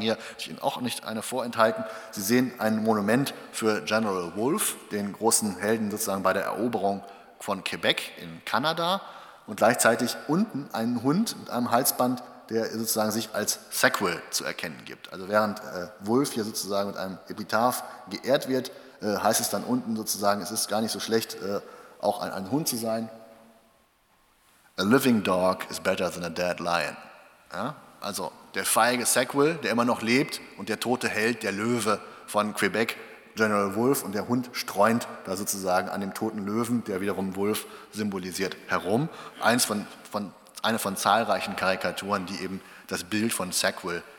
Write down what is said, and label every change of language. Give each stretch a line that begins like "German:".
German: Hier möchte ich Ihnen auch nicht eine vorenthalten. Sie sehen ein Monument für General Wolfe, den großen Helden sozusagen bei der Eroberung von Quebec in Kanada. Und gleichzeitig unten einen Hund mit einem Halsband, der sozusagen sich als Sackville zu erkennen gibt. Also während Wolfe hier sozusagen mit einem Epitaph geehrt wird, heißt es dann unten sozusagen, es ist gar nicht so schlecht, auch ein Hund zu sein.
English: A living dog is better than a dead lion.
German: Ja? Also der feige Sackville, der immer noch lebt, und der tote Held, der Löwe von Quebec, General Wolfe, und der Hund streunt da sozusagen an dem toten Löwen, der wiederum Wolfe symbolisiert, herum. Eine von zahlreichen Karikaturen, die eben das Bild von Sackville